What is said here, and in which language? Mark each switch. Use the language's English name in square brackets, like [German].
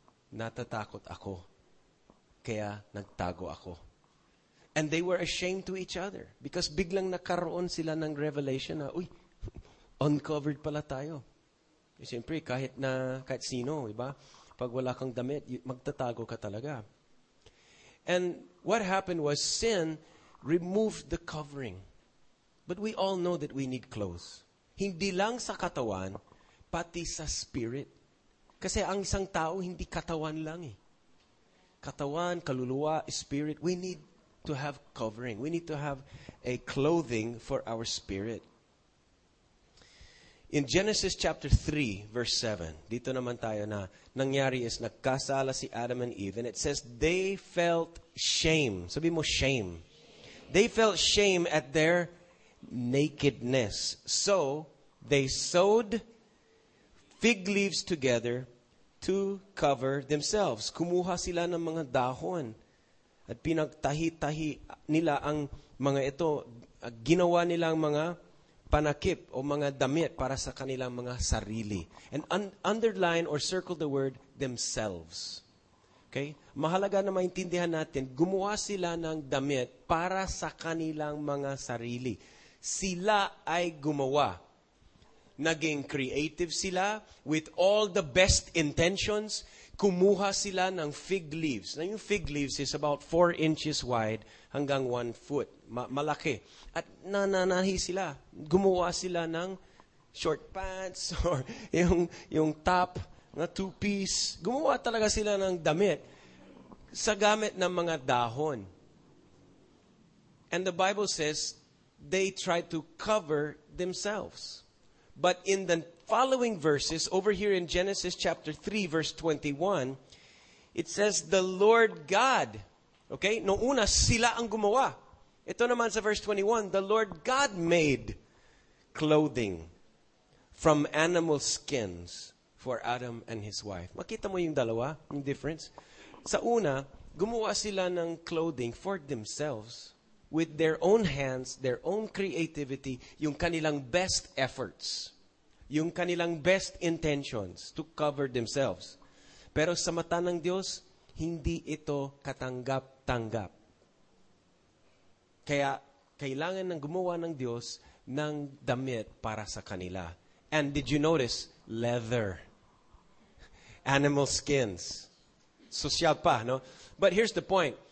[Filipino] Natatakot ako, kaya nagtago ako. [English] And they were ashamed to each other because [Filipino] biglang nakaroon sila ng revelation na, uy, uncovered pala tayo. Siyempre, kahit sino, iba, pag wala kang damit, magtatago ka talaga. [English] And what happened was sin removed the covering. But we all know that we need clothes. [Filipino] Hindi lang sa katawan, pati sa spirit. Kasi ang isang tao, hindi katawan lang eh. [English] Katawan, kaluluwa, spirit, we need to have covering. We need to have a clothing for our spirit. In Genesis chapter 3, verse 7, [Filipino] dito naman tayo na nangyari is nagkasala si [English] Adam and Eve, and it says, they felt shame. Sabi mo, shame. They felt shame at their nakedness. So, they sewed fig leaves together to cover themselves. [Filipino] Kumuha sila ng mga dahon at pinagtahi-tahi nila ang mga ito. Ginawa nilang mga panakip o mga damit para sa kanilang mga sarili. [English] And underline or circle the word themselves. Okay? [Filipino] Mahalaga na maintindihan natin, gumawa sila ng damit para sa kanilang mga sarili. Sila ay gumawa. [English] Naging creative sila with all the best intentions. Kumuha sila ng fig leaves. Now, yung fig leaves is about 4 inches wide hanggang 1 foot. [Filipino] Malaki. At nananahi sila. Gumawa sila ng short pants or yung top na two-piece. Gumawa talaga sila ng damit sa gamit ng mga dahon. [English] And the Bible says, they tried to cover themselves. But in the following verses, over here in Genesis chapter 3, verse 21, it says, the Lord God, okay? [Filipino] Nouna, sila ang gumawa. Ito naman sa [English] verse 21, the Lord God made clothing from animal skins for Adam and his wife. Makita mo yung dalawa, yung difference? Sa una, gumawa sila ng clothing for themselves with their own hands, their own creativity, yung kanilang best efforts, yung kanilang best intentions to cover themselves. [Filipino] Pero sa mata ng Diyos, hindi ito katanggap-tanggap. Kaya kailangan ng gumawa ng Diyos ng damit para sa kanila. [English] And did you notice? Leather. Animal skins. Social pa, no? But here's the point.